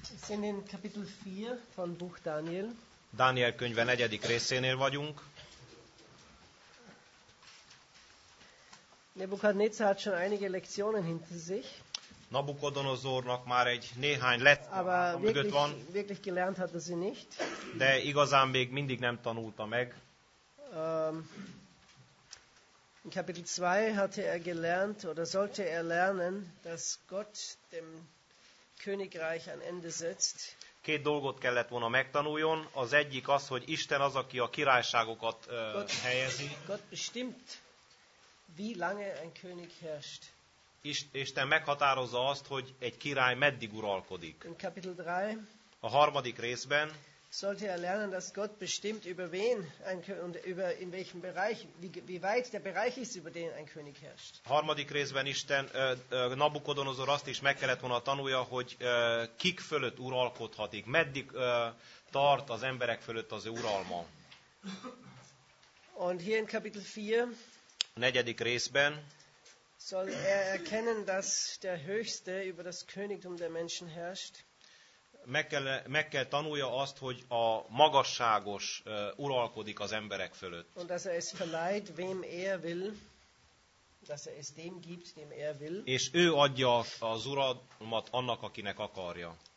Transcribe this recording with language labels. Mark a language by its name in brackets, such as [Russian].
[German] sind in Kapitel 4 von Buch Daniel. [Hungarian] Dániel könyve 4. részénél vagyunk. [German] Nebukadnezar hat schon einige Lektionen hinter sich. [Hungarian] Nabukodonozornak már egy néhány lett, aber mögött van. [German] Wirklich gelernt hat er sie nicht. [Hungarian] De igazán még mindig nem tanulta meg. [German] In Kapitel 2 hatte er gelernt oder sollte er lernen, dass Gott dem Königreich ein Ende setzt. [Hungarian] Két dolgot kellett volna megtanuljon. Az egyik az, hogy Isten az, aki a királyságokat helyezi. [German] Gott bestimmt, wie lange ein König herrscht. [Hungarian] Isten meghatározza azt, hogy egy király meddig uralkodik. [German] In Kapitel 3 [Hungarian] a harmadik részben [German] sollte er lernen, dass Gott bestimmt, über wen ein König, und über in welchem Bereich, wie weit der Bereich ist, über den ein König herrscht. [Hungarian] A harmadik részben Isten Nabukodonozor azt is meg kellett volna tanulja, hogy kik fölött uralkodhatik, meddig tart az emberek fölött az ő uralma. [German] Und hier in Kapitel 4 [Hungarian] a negyedik részben [German] soll er erkennen, dass der Höchste über das Königtum der Menschen herrscht. [Hungarian] Meg kell tanulja azt, hogy a magasságos uralkodik az emberek fölött. [German] Und dass er es verleiht, wem er will, dass er es dem gibt, dem er will. [Hungarian] És ő adja az uralmat annak, akinek akarja.